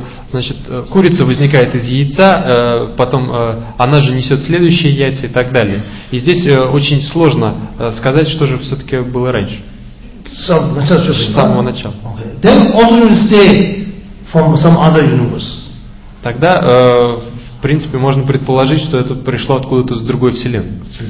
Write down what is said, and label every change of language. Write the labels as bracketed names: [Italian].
[Russian] Значит, курица возникает из яйца, потом она же несет следующие яйца и так далее. И здесь очень сложно сказать, что же все-таки было раньше. С самого начала. [English] Okay. Then also you say from some other universe. [Russian] Тогда в принципе, можно предположить, что это пришло откуда-то с другой вселенной.